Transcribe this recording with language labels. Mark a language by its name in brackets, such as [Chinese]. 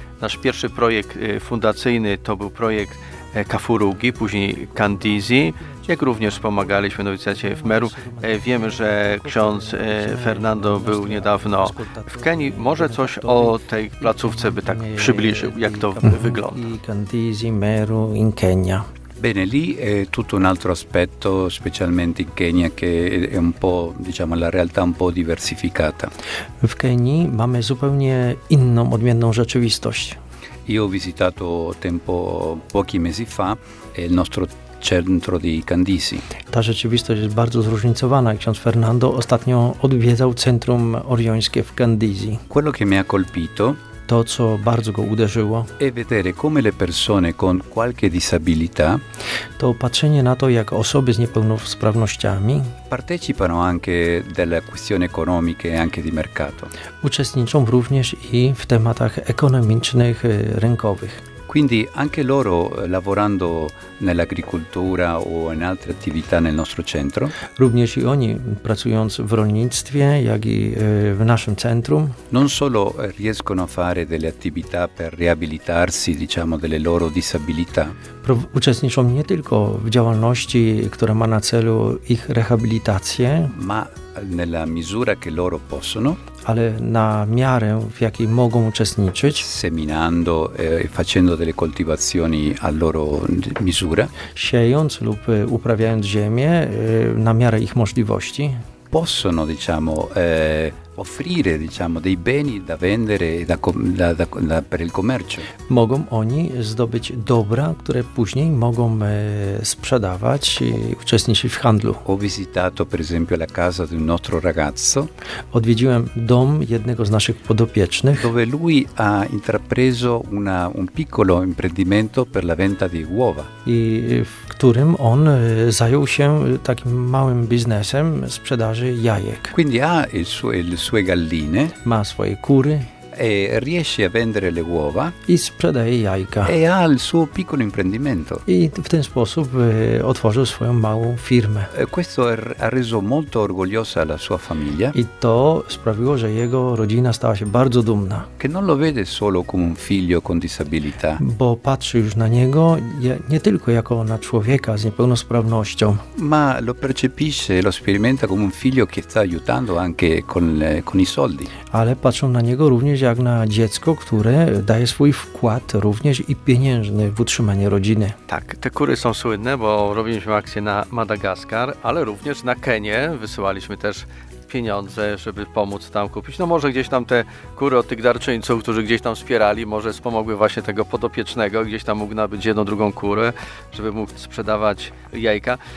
[Polish] Nasz pierwszy projekt fundacyjny to był projekt Kafurugi, później Kandizi, jak również wspomagaliśmy nowicjacie w Meru. Wiemy, że ksiądz Fernando był niedawno w Kenii. Może coś o tej placówce by tak przybliżył, jak to wygląda? [Italian] Kandizi, Meru, in Kenia. Bene, lì è tutto un altro aspetto, specialmente in Kenya, che è un po', diciamo, la realtà un po' diversificata. [Polish] W Kenii mamy zupełnie inną, odmienną rzeczywistość. [Italian] Io ho visitato tempo pochi mesi fa il nostro centro di Kandisi. [Polish] Ta rzeczywistość jest bardzo zróżnicowana. Ksiądz Fernando ostatnio odwiedzał centrum oriońskie w Kandisi. [Italian] Quello che mi ha colpito. [Polish] To, co bardzo go uderzyło, [Italian] e vedere come le persone con qualche disabilità, [Polish] to patrzenie na to, jak osoby z niepełnosprawnościami [Italian] partecipano anche delle questioni economiche e anche di mercato. [Polish] Uczestniczą również i w tematach ekonomicznych, rynkowych. [Italian] Quindi anche loro lavorando nell'agricoltura o in altre attività nel nostro centro. [Polish] Również i oni pracując w rolnictwie, jak i w naszym centrum. [Italian] Non solo riescono a fare delle attività per riabilitarsi, diciamo, delle loro disabilità. [Polish] Uczestniczą nie tylko w działalności, która ma na celu ich rehabilitację, [Italian] ma nella misura che loro possono, [Polish] ale na miarę, w jakiej mogą uczestniczyć, [Italian] seminando e facendo delle coltivazioni a loro misura, [Polish] siejąc lub uprawiając ziemię na miarę ich możliwości, [Italian] possono, diciamo, offrire, diciamo, dei beni da vendere da per il commercio. [Polish] Mogą oni zdobyć dobra, które później mogą sprzedawać i uczestniczyć w handlu. [Italian] Ho visitato, per esempio, la casa di un nostro ragazzo. [Polish] Odwiedziłem dom jednego z naszych podopiecznych, [Italian] dove lui ha intrapreso un piccolo imprendimento per la venta di uova. [Polish] I w którym on zajął się takim małym biznesem sprzedaży jajek. [Italian] Quindi ha le sue galline, [Polish] ma swoje kury, [Italian] e riesce a vendere le uova, [Polish] i sprzedaje jajka, [Italian] e ha il suo piccolo imprendimento, [Polish] i w ten sposób otworzył swoją małą firmę. [Italian] Questo ha reso molto orgogliosa la sua famiglia, [Polish] i to sprawiło, że jego rodzina stała się bardzo dumna, [Italian] che non lo vede solo come un figlio con disabilità, [Polish] bo patrzy już na niego nie tylko jako na człowieka z niepełnosprawnością, [Italian] ma lo percepisce, lo sperimenta come un figlio che sta aiutando anche con i soldi, [Polish] ale patrzą na niego również jak na dziecko, które daje swój wkład również i pieniężny w utrzymanie rodziny. Tak, te kury są słynne, bo robiliśmy akcję na Madagaskar, ale również na Kenię wysyłaliśmy też pieniądze, żeby pomóc tam kupić. No może gdzieś tam te kury od tych darczyńców, którzy gdzieś tam wspierali, może wspomogły właśnie tego podopiecznego, gdzieś tam mógł nabyć jedną, drugą kurę, żeby mógł sprzedawać jajka.